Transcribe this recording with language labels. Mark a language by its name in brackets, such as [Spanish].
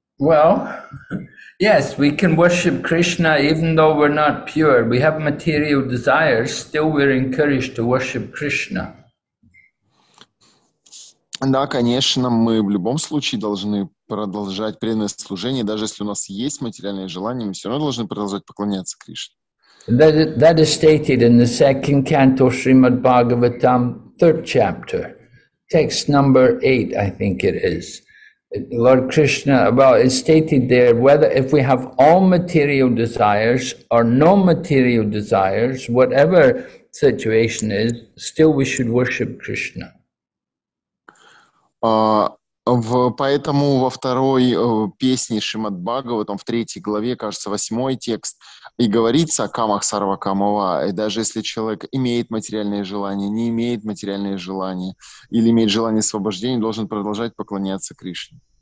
[English] Well, yes, we can worship Krishna even though we're not pure. We have material desires, still we're encouraged to worship Krishna. [Russian] Да, конечно, мы в любом случае должны продолжать преданное служение, даже если у нас есть материальные желания, мы все равно должны продолжать поклоняться Кришне. [English] That is stated in the second canto Srimad Bhagavatam, third chapter, text number 8, I think it is. Lord Krishna, well, it's stated there whether if we have all material desires or no material desires, whatever situation is, still we should worship Krishna. [Russian] Поэтому во второй песне Шримад Бхагаватам, в третьей главе, кажется, восьмой текст, и говорится о [Sanskrit] камах сарва камова, [Russian] и даже если человек имеет материальные желания, не имеет материальные желания, или имеет желание освобождения, должен продолжать поклоняться Кришне.